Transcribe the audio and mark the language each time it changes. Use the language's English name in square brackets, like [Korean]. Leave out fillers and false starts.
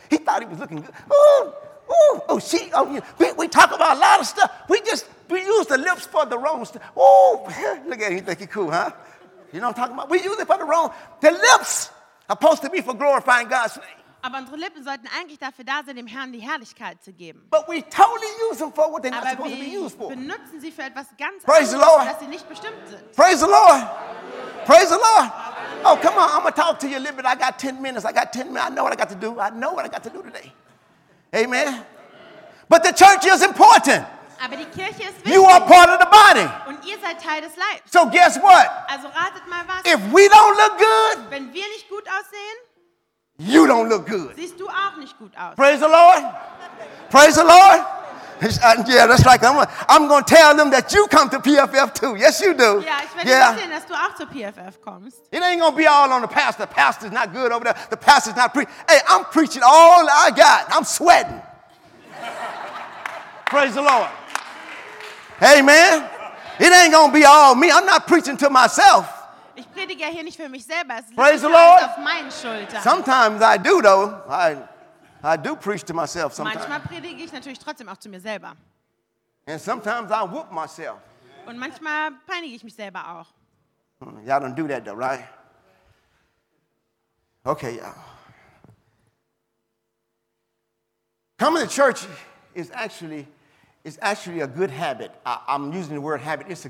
[English] He thought he was looking good. We talk about a lot of stuff. We use the lips for the wrong stuff. Oh, look at him. You think he's cool, huh? You know what I'm talking about? We use it for the wrong. The lips are supposed to be for glorifying God's name. [German] Aber unsere Lippen sollten eigentlich dafür da sein, dem Herrn die Herrlichkeit zu geben. [English] But we totally use them for what they're not supposed to be used for. [German] Aber wir benutzen sie für etwas ganz [English] praise [German] anderes, dass sie nicht bestimmt sind. [English] Praise the Lord. Praise the Lord. Oh, come on. I'm going to talk to you a little bit. I got 10 minutes. I know what I got to do today. Amen. Amen. But the church is important. [German] Aber die Kirche ist wichtig. [English] You are part of the body. [German] Und ihr seid Teil des Leibs. [English] So guess what? [German] Also ratet mal was. [English] If we don't look good, [German] wenn wir nicht gut aussehen, [English] you don't look good. [German] Siehst du auch nicht gut aus. [English] Praise the Lord. Praise the Lord. Yeah, that's like I'm going to tell them that you come to PFF too. Yes, you do. [German] Ja, ich werde dir sagen, dass du auch zu PFF kommst. [English] It ain't going to be all on the pastor. The pastor's not good over there. The pastor's not preaching. Hey, I'm preaching all I got. I'm sweating. Praise the Lord. Amen. It ain't going to be all me. I'm not preaching to myself. [German] Ich predige hier nicht für mich selber. Es [English] praise the Lord. [German] Auf meinen Schultern. [English] Sometimes I do, though. I do preach to myself sometimes. [German] Manchmal predige ich natürlich trotzdem auch zu mir selber. [English] And sometimes I whoop myself. [German] Und manchmal peinige ich mich selber auch. [English] Y'all don't do that though, right? Okay, y'all. Coming to church is actually a good habit. I'm using the word habit.